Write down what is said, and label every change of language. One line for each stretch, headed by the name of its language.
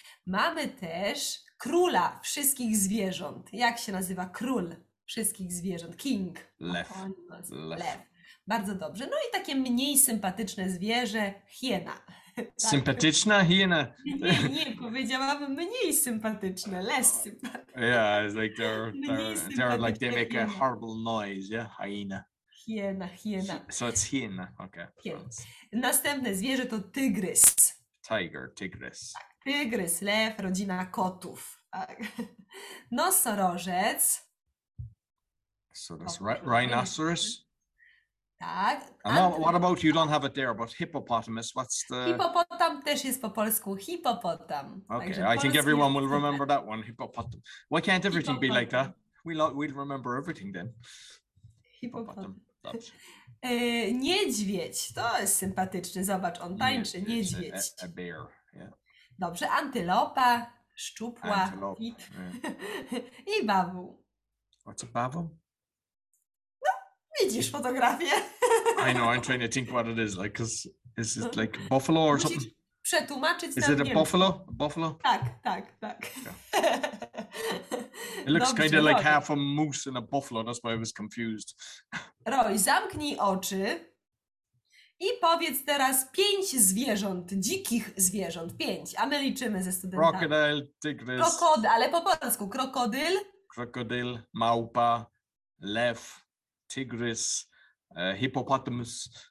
Polish: Mamy też króla wszystkich zwierząt. Jak się nazywa król wszystkich zwierząt?
English: King.
Polish: Lew. Lew. Bardzo dobrze. No i takie mniej sympatyczne zwierzę, hiena. Sympatyczna hiena? Nie, powiedziałam mniej sympatyczne, less sympatyczne.
English: Yeah, it's like they're like they make a horrible noise, yeah, hiena.
Polish: Hiena.
English: So it's hiena, okay.
Polish: Hiena. Następne zwierzę to tygrys.
English: Tiger, tygrys.
Polish: Tygrys, lew, rodzina kotów. Nosorożec.
English: So that's rhinoceros?
Polish: Tak.
English: What about, you don't have it there, but hippopotamus, what's the...
Polish: Hippopotam też jest po polsku, hippopotam.
English: Okay, I think everyone will remember that one, hippopotam. Why can't everything be like that? We'd remember everything then.
Polish: Hippopotam. Niedźwiedź, to jest sympatyczny, zobacz, on tańczy, niedźwiedź.
English: A bear, yeah.
Polish: Dobrze, antylopa, szczupła, antylop,
English: fit. Yeah.
Polish: I bawół.
English: What's a bawoł?
Polish: No, widzisz fotografię.
English: I know, I'm trying to think what it is, like, is it like buffalo or
Polish: musisz
English: something?
Polish: Przetłumaczyć
English: is it a buffalo? A buffalo?
Polish: Tak.
English: Yeah. It looks kind of like half a moose and a buffalo, that's why I was confused.
Polish: Roy, zamknij oczy i powiedz teraz pięć zwierząt, dzikich zwierząt, pięć, a my liczymy ze studentami.
English: Crocodile, tygrys.
Polish: Krokodyl, ale po polsku, krokodyl. Krokodyl, małpa, lew, tygrys, hippopotamus.